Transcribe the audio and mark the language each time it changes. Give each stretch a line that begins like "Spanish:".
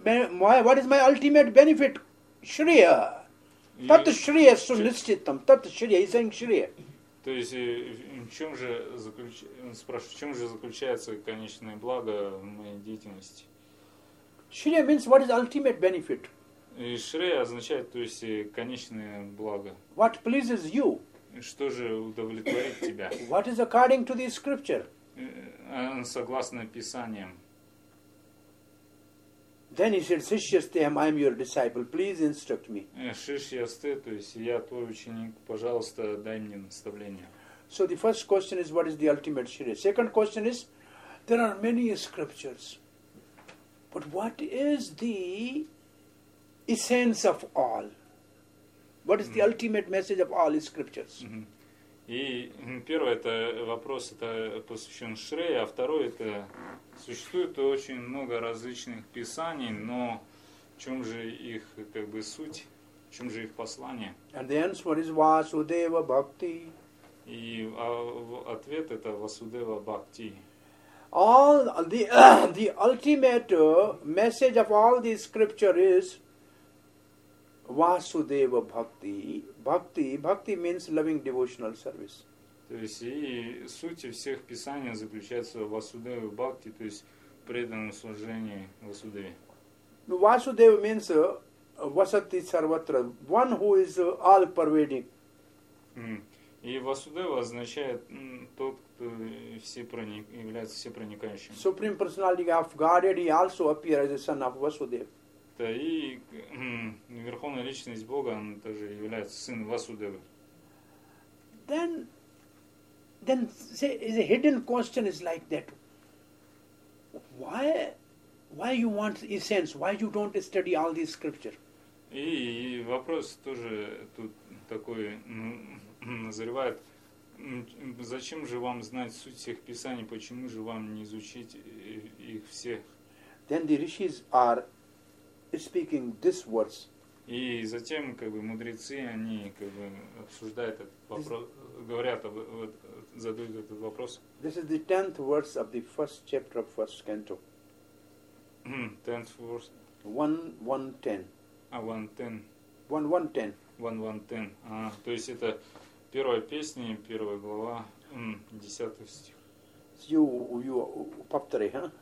English: What is my ultimate benefit? Shriya. Tat shriya sunishchitam. Tat shriya. He's saying shriya.
Russian: То есть, в чем же заключается конечное благо в моей деятельности?
English: Shriya means what is ultimate benefit.
Russian: И Shriya означает, то есть, конечное благо.
English: What pleases you.
Russian: Что же удовлетворит тебя.
English: What is according to the scripture.
Russian: Согласно Писаниям.
English: Then he said, Shishyastham, I am your disciple, please instruct me.
Russian: Shishyastham, то есть я твой ученик, пожалуйста, дай мне наставление.
English: So the first question is, what is the ultimate Shri? Second question is, there are many scriptures, but what is the essence of all? What is the ultimate message of all scriptures?
Russian: И первый это вопрос, это посвящен Шрее, а второй это существует очень много различных писаний, но в чем же их как бы суть, в чем же их послание?
English: And the answer is Vasudeva Bhakti.
Russian: И ответ это Vasudeva Bhakti.
English: All the ultimate message of all the scripture is Vasudeva Bhakti. Bhakti, bhakti means loving devotional service.
Russian: То есть и суть всех писаний заключается в Васудеве Бхакти, то есть преданном служении Васудеве.
English: Vasudeva means Vasati Sarvatra, one who is all pervading.
Russian: И Васудева означает тот, кто является всепроникающим.
English: Supreme Personality of Godhead, he also appears as the son of Vasudeva.
Russian: И верховная личность Бога, он тоже является сын Васудевы.
English: Then say, the hidden question is like that. Why you want essence? Why you don't study all these scriptures?
Russian: И вопрос тоже тут такой назревает. Зачем же вам знать суть всех писаний? Почему же вам не изучить их всех?
English: Then the rishis are speaking this words.
Russian: И затем как бы мудрецы они как бы обсуждают этот вопрос, говорят об вот, задают этот вопрос.
English: This is the 10th verse of the first chapter of first canto. 10th verse. 1-1-10.
Russian: А 1-10.
English: 1-1-10. 1-1-10.
Russian: А, то есть это первая песня, первая глава, 10 стих.
English: You
Russian: повтори,
English: huh?